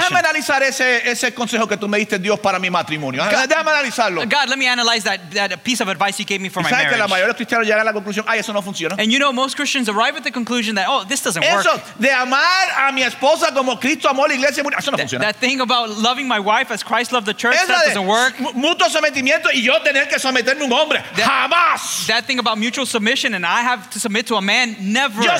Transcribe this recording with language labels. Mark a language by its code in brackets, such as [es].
[es] Déjame analizar ese consejo que tú me diste Dios para mi matrimonio. Déjame analizarlo. [en] God, let me analyze that piece of advice you gave me for my marriage. [es] Que la mayoría de cristianos llegan a la conclusión, ay, eso no funciona. [en] And you know, most Christians arrive at the conclusion that, oh, this doesn't [es] eso, [en] work. [es] De amar a mi esposa como Cristo amó la iglesia, eso no funciona. [en] That thing about loving my wife as Christ loved the church, [es] eso [en] that doesn't work. [es] Mutuo sometimiento y yo tener que someterme un hombre. Jamás. [en] That thing about mutual submission and I have to submit to a man, never.